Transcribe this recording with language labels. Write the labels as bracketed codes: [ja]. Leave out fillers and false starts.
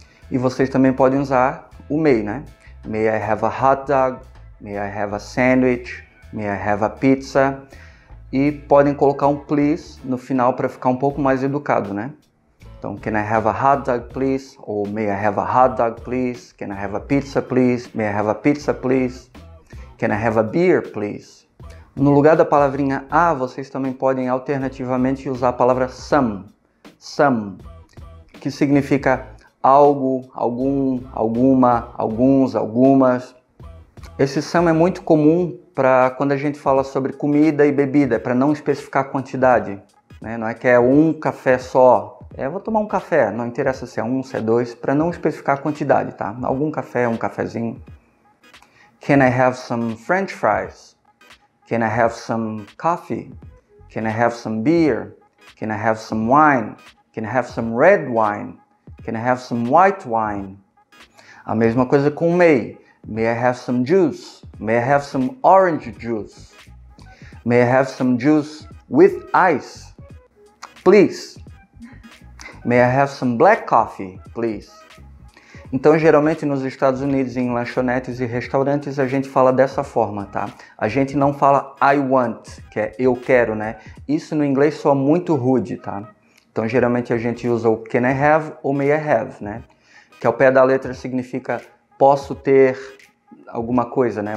[pt] E vocês também podem usar o may, né? [en] May I have a hot dog? May I have a sandwich? May I have a pizza? [pt] E podem colocar um please no final para ficar um pouco mais educado, né? [en] Então, can I have a hot dog, please? Ou may I have a hot dog, please? Can I have a pizza, please? May I have a pizza, please? Can I have a beer, please? [pt] No lugar da palavrinha a, vocês também podem alternativamente usar a palavra some. Some, que significa algo, algum, alguma, alguns, algumas. Esse some é muito comum para quando a gente fala sobre comida e bebida, para não especificar a quantidade, né? Não é que é um café só. É, vou tomar um café, não interessa se é um, se é dois, para não especificar a quantidade, tá? Algum café, um cafezinho. [en] Can I have some French fries? Can I have some coffee? Can I have some beer? Can I have some wine? Can I have some red wine? Can I have some white wine? [pt] A mesma coisa com may. [en] May I have some juice? May I have some orange juice? May I have some juice with ice? Please. May I have some black coffee, please? [pt] Então, geralmente nos Estados Unidos, em lanchonetes e restaurantes, a gente fala dessa forma, tá? A gente não fala I want, que é eu quero, né? Isso no inglês soa muito rude, tá? Então, geralmente a gente usa o can I have ou may I have, né? Que ao pé da letra significa posso ter alguma coisa, né?